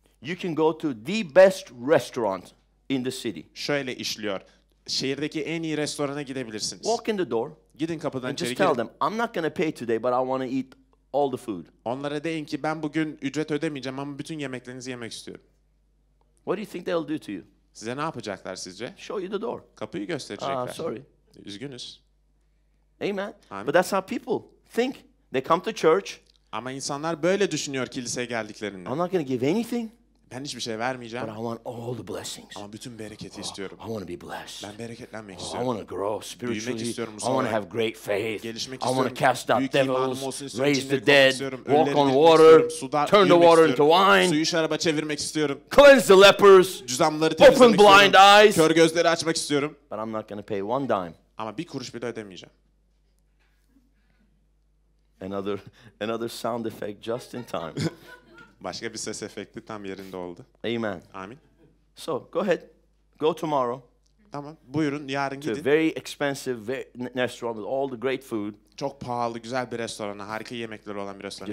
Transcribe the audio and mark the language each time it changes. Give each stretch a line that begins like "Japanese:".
English: You can go to the best restaurant in the city.
Turkish: Şöyle işliyor. Şehirdeki en iyi restorana gidebilirsiniz.
English: Walk in the door.
Turkish: Gidin kapıdan içeri.
English: Just tell them I'm not going to pay today but I want to eat all the food.
Turkish: Onlara deyin ki ben bugün ücret ödemeyeceğim ama bütün yemeklerinizi yemek istiyorum.
English: What do you think they'll do to you?
Turkish: Size ne yapacaklar sizce?
English: Show you the door.
Turkish: Kapıyı gösterecekler.
English: Sorry.
Turkish: Üzgünüz.
English: Amen.
Turkish: Amin.
English: But that's how people think. They come to church.
Turkish: Ama insanlar böyle düşünüyor kiliseye geldiklerinde.
English: I'm not going to give anything.
Turkish: Ben hiçbir şey vermeyeceğim.
English: But I want all the blessings.
Turkish: Ama bütün bereketi istiyorum.
English: I want to be blessed.
Turkish: Ben bereketlenmek istiyorum.
English: I want to grow spiritually.
Turkish: Büyümek istiyorum.
English: I want to have great faith.
Turkish: Gelişmek istiyorum.
English: I want to cast out
Turkish: büyük
English: devils, raise the dead, walk on water, turn the water into wine.
Turkish: Suyu şaraba çevirmek istiyorum.
English: Cleanse the lepers.
Turkish: Cüzdanları temizlemek istiyorum.
English: Open blind eyes.
Turkish: Kör gözleri açmak istiyorum.
English: But I'm not going to pay one dime.
Turkish: Ama bir kuruş bile ödemeyeceğim.
English: Another sound effect just in time.
Turkish: Başka bir ses efekti tam yerinde oldu.
English: Amen.
Turkish: Amin.
English: So, go ahead. Go tomorrow.
Turkish: Tamam. Buyurun yarın gidin.
English: To a very expensive restaurant with all the great food.
Turkish: Çok pahalı, güzel bir restorana, harika yemekleri olan bir restorana.